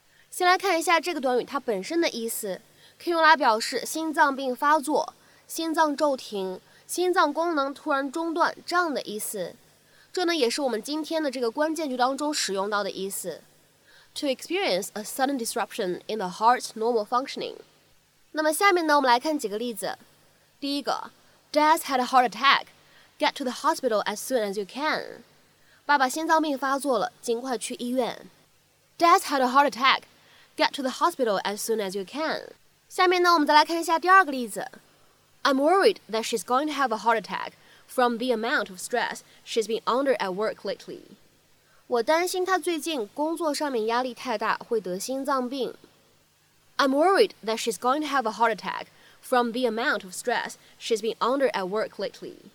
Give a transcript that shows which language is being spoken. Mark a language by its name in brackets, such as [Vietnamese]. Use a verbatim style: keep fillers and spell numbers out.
[Chinese] 先来看一下这个短语它本身的意思，可以用来表示心脏病发作、心脏骤停、心脏功能突然中断这样的意思。这呢也是我们今天的这个关键句当中使用到的意思。 [English] To experience a sudden disruption in the heart's normal functioning。 [Chinese] 那么下面呢，我们来看几个例子。第一个 [English] ，Dad had a heart attack。 Get to the hospital as soon as you can. [Chinese] 爸爸心脏病发作了，尽快去医院。 [English] Dad had a heart attack. Get to the hospital as soon as you can. [Chinese] 下面呢，我们再来看一下第二个例子。 [English] I'm worried that she's going to have a heart attack from the amount of stress she's been under at work lately. [Chinese] 我担心她最近工作上面压力太大，会得心脏病。 [English] I'm worried that she's going to have a heart attack from the amount of stress she's been under at work lately.